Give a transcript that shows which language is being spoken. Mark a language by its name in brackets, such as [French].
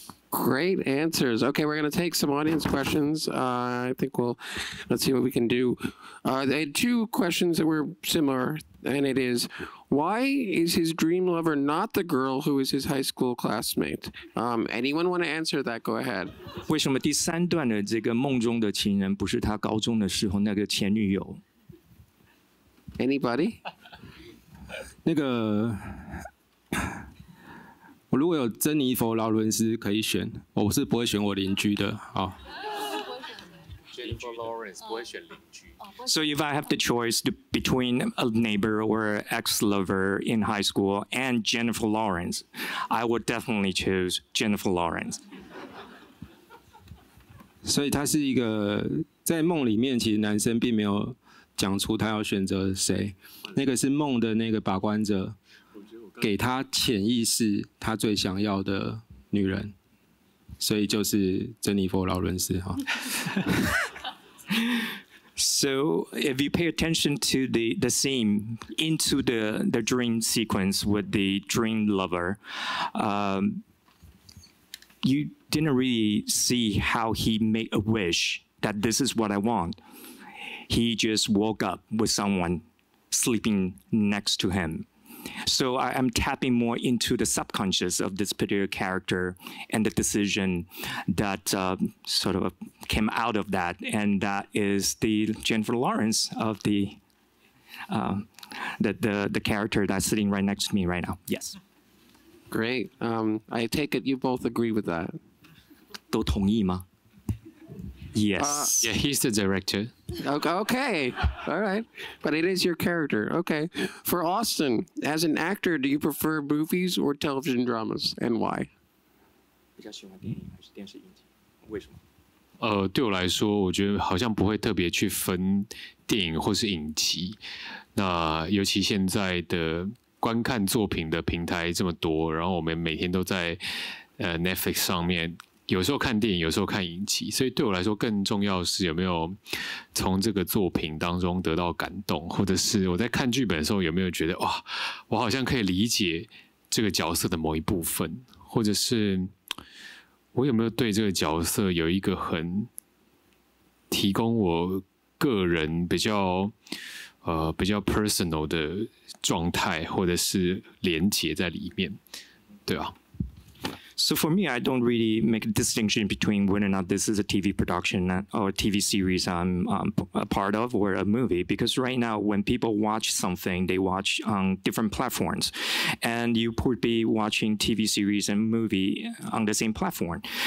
[English] Great answers. Okay, we're going to take some audience questions. Let's see what we can do. They had two questions that were similar, and it is, why is his dream lover not the girl who is his high school classmate? Anyone want to answer that? Go ahead. [Chinese] 为什么第三段的这个梦中的情人不是他高中的时候那个前女友？ [English] Anybody? [Chinese] 那个我如果有珍妮佛劳伦斯可以选，我是不会选我邻居的。好。 [English] So if I have the choice between a neighbor or ex-lover in high school and Jennifer Lawrence, I would definitely choose Jennifer Lawrence. [Chinese] 所以他是一个在梦里面，其实男生并没有讲出他要选择谁，那个是梦的那个把关者给他潜意识他最想要的女人，所以就是珍妮佛劳伦斯哈。 [English] So if you pay attention to the scene into the dream sequence with the dream lover, you didn't really see how he made a wish that this is what I want. He just woke up with someone sleeping next to him. So I am tapping more into the subconscious of this particular character and the decision that sort of came out of that, and that is the Jennifer Lawrence of the character that's sitting right next to me right now. Yes. Great. I take it you both agree with that. [Chinese] 都同意吗? [English] Yes. Yeah, he's the director. Okay. All right. But it is your character. Okay. For Austin, as an actor, do you prefer movies or television dramas, and why? [Chinese] 比较喜欢电影还是电视影集？为什么？对我来说，我觉得好像不会特别去分电影或是影集。那尤其现在的观看作品的平台这么多，然后我们每天都在Netflix 上面。有时候看电影，有时候看影集，所以对我来说更重要的是有没有从这个作品当中得到感动，或者是我在看剧本的时候有没有觉得哇，我好像可以理解这个角色的某一部分，或者是我有没有对这个角色有一个很提供我个人比较 personal 的状态，或者是连结在里面，对啊。 [English] So for me, I don't really make a distinction between whether or not this is a TV production or a TV series I'm a part of or a movie, because right now when people watch something, they watch on different platforms, and you could be watching TV series and movie on the same platform.